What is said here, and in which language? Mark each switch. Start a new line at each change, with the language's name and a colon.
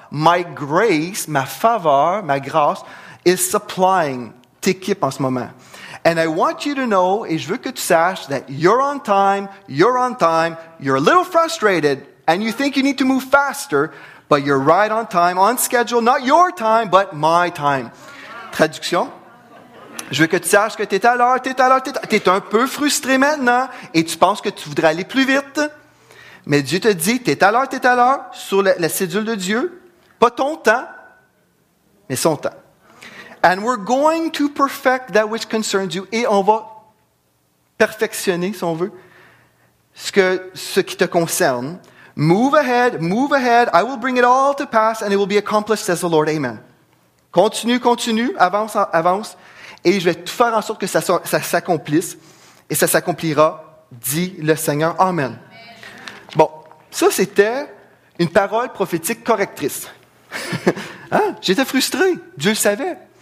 English: My grace,
French: ma faveur, ma grâce,
English: is supplying,
French: t'équipe en ce moment.
English: And I want you to know,
French: et je veux que tu saches,
English: that you're on time, you're a little frustrated, and you think you need to move faster, but you're right on time, on schedule, not your time, but my time.
French: Traduction. Je veux que tu saches que t'es un peu frustré maintenant, et tu penses que tu voudrais aller plus vite. Mais Dieu te dit, t'es à l'heure, sur la cédule de Dieu. Pas ton temps, mais son temps.
English: And we're going to perfect that which concerns you.
French: Et on va perfectionner, si on veut, ce qui te concerne.
English: Move ahead. I will bring it all to pass and it will be accomplished, says the Lord.
French: Amen. Continue. Avance. Et je vais tout faire en sorte que ça s'accomplisse. Et ça s'accomplira, dit le Seigneur. Amen. Bon, ça c'était une parole prophétique correctrice. Hein? J'étais frustré. Dieu le savait.